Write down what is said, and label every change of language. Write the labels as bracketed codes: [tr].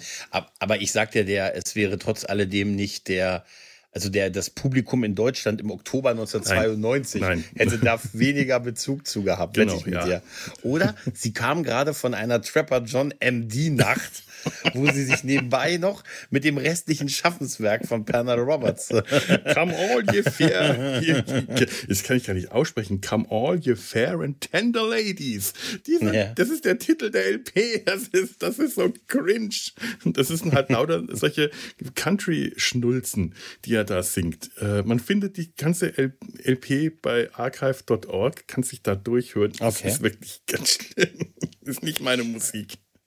[de] Aber ich sagte dir, es wäre trotz alledem nicht das Publikum in Deutschland im Oktober 1992 hätte da weniger Bezug zu gehabt, genau, wette ich mit dir. Oder sie kam gerade von einer Trapper John MD-Nacht, wo sie sich nebenbei noch mit dem restlichen Schaffenswerk von Pernell Roberts. [en] Come all ye fair. [de] Das kann ich gar nicht aussprechen. [en] Come all ye fair and tender ladies. [de] Das ist der Titel der LP. Das ist so cringe. Das ist halt lauter solche Country-Schnulzen, die er da singt. Man findet die ganze LP bei archive.org, kann sich da durchhören. Okay. Das ist wirklich ganz schlimm. Das ist nicht meine Musik.